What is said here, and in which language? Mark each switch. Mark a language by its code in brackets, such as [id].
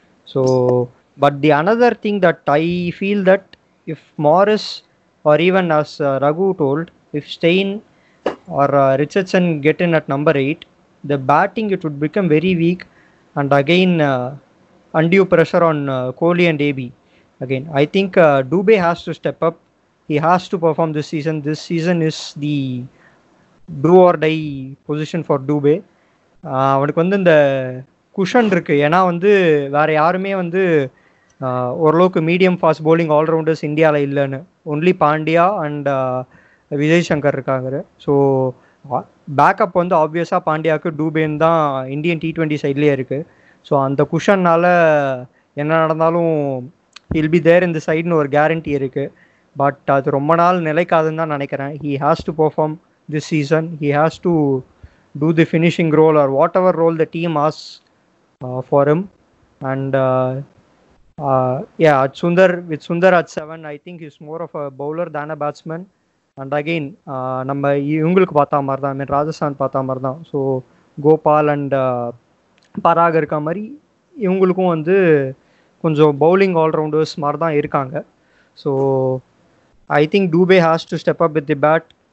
[en] So, but the another thing that I feel that if Morris or even as Raghu told, if Steyn or Richardson get in at number 8, the batting, it would become very weak. And again, undue pressure on Kohli and AB. Again, I think Dubey has to step up. He has to perform this season. This season is the do or die position for Dubey. [ta] அவனுக்கு வந்து இந்த cushion இருக்குது. ஏன்னா வந்து வேறு யாருமே வந்து ஓரளவுக்கு மீடியம் ஃபாஸ்ட் போலிங் ஆல்ரவுண்டர்ஸ் இந்தியாவில் இல்லைன்னு. ஒன்லி பாண்டியா அண்ட் விஜய் சங்கர் இருக்காங்க. ஸோ பேக்கப் வந்து ஆப்வியஸாக பாண்டியாவுக்கு டூபேன்னு தான் இந்தியன் T20 சைட்லேயே இருக்குது. ஸோ அந்த குஷன்னால் என்ன நடந்தாலும் [en] he'll be there [ta] இந்த சைடுன்னு ஒரு கேரண்டி இருக்குது. பட் அது ரொம்ப நாள் நிலைக்காதுன்னு தான் நினைக்கிறேன். [en] He has to perform this season. He has to two the finishing role R what ever role the team as for him. And at Sundar, with Sundar at 7, I think is more of a bowler than a batsman. [ta] And again நம்ம இவங்களுக்கு பார்த்தா மாதிரி தான், ஐ மீன் ராஜஸ்தான் பார்த்தா மாதிரி தான். So Gopal and பராக் இருக்க மாதிரி இவங்களுக்கும் வந்து கொஞ்சம் பவுலிங் ஆல்ரவுண்டர்ஸ் மாதிரி தான் இருக்காங்க. [en] So I think Dubey has to step up with the bat.